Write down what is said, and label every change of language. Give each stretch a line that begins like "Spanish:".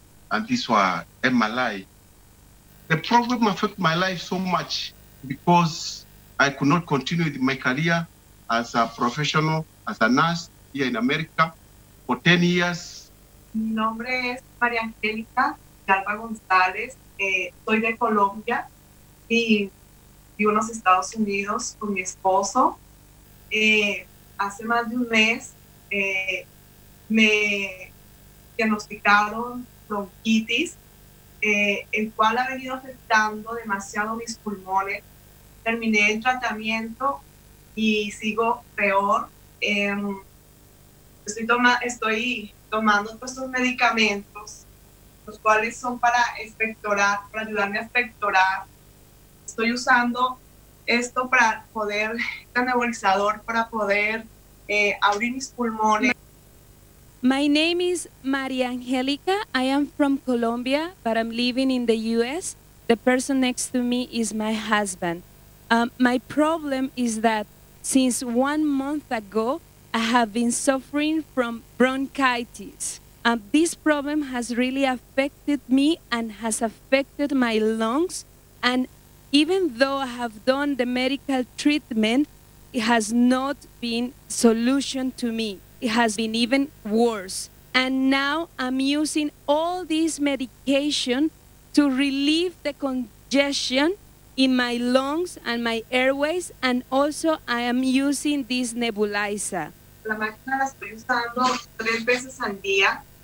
English: And these were MRI. The problem affected my life so much because I could not continue with my career as a professional, as a nurse here in America for 10 years.
Spanish: Mi nombre es María Angélica Galva González. Soy de Colombia y vivo en los Estados Unidos con mi esposo. Hace más de un mes me diagnosticaron bronquitis, el cual ha venido afectando demasiado mis pulmones. Terminé el tratamiento y sigo peor. Estoy tomando todos estos medicamentos, los cuales son para expectorar, para ayudarme a expectorar. Estoy usando esto para poder, este nebulizador, para poder abrir mis pulmones.
English: My name is María Angélica. I am from Colombia, but I'm living in the U.S. The person next to me is my husband. My problem is that since 1 month ago, I have been suffering from bronchitis. This problem has really affected me and has affected my lungs. And even though I have done the medical treatment, it has not been a solution to me. It has been even worse. And now I'm using all this medication to relieve the congestion in my lungs and my airways. And also I am using this nebulizer.
Spanish: La máquina la estoy usando 3 veces al día.